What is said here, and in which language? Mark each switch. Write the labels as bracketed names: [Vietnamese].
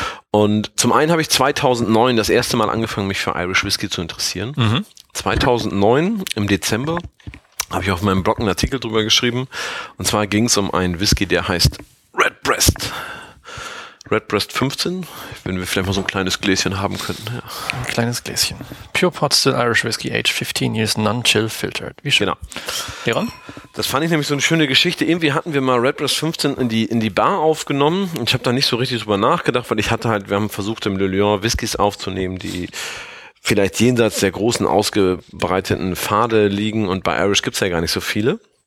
[German] Und zum einen habe ich 2009 das erste Mal angefangen, mich für Irish Whisky zu interessieren. Mhm. 2009 im Dezember habe ich auf meinem Blog einen Artikel drüber geschrieben. Und zwar ging es um einen Whisky, der heißt Redbreast. Redbreast 15, wenn wir vielleicht mal so ein kleines Gläschen haben könnten. Ja. Ein kleines Gläschen. [English] Pure Pot Still Irish Whisky, aged 15 years, non-chill filtered. [German] Wie schön. Genau. Leon? Das fand ich nämlich so eine schöne Geschichte. Irgendwie hatten wir mal Redbreast 15 in die Bar aufgenommen. Ich habe da nicht so richtig drüber nachgedacht, weil ich hatte halt, wir haben versucht im Le Lion Whiskys aufzunehmen, die vielleicht jenseits der großen ausgebreiteten Pfade liegen, und bei Irish gibt's ja gar nicht so viele.